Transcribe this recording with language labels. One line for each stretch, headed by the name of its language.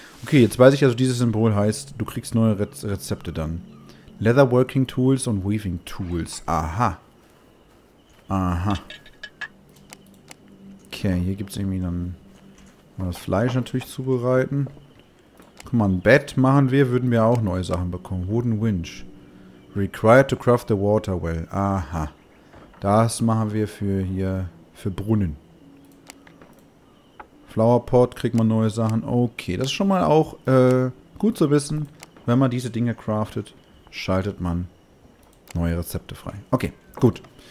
German: Okay, jetzt weiß ich also, dieses Symbol heißt, du kriegst neue Rezepte dann. Leatherworking Tools und Weaving Tools. Aha. Aha. Okay, hier gibt es irgendwie dann das Fleisch natürlich zubereiten. Guck mal, ein Bett machen wir, würden wir auch neue Sachen bekommen.
English: Wooden Winch. Required to craft the water well. Aha.
German: Das machen wir für hier, für Brunnen. Flowerpot kriegt man neue Sachen. Okay, das ist schon mal auch gut zu wissen. Wenn man diese Dinge craftet, schaltet man neue Rezepte frei. Okay, gut.